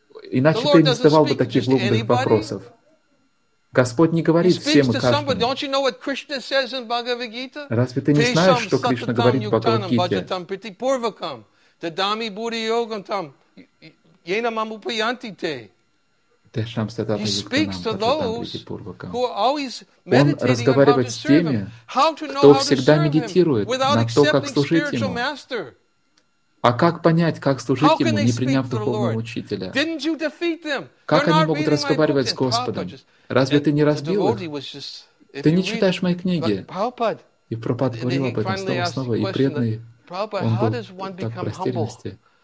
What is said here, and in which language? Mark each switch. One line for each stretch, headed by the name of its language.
Russian: Иначе ты не задавал бы таких глупых вопросов. Господь не говорит всем и каждому. Разве ты не знаешь, что Кришна говорит в Бхагавад-гите?
English: He speaks to those who are always meditating on how to serve him. How to know how to serve him without accepting spiritual master?
Russian: А как понять, как служить Ему, не приняв духовного учителя? Как они могут разговаривать с Господом? Разве ты не разбил их? Ты не читаешь мои книги. И Прабхупад говорил об этом снова и снова, и преданный, он был так в растерянности.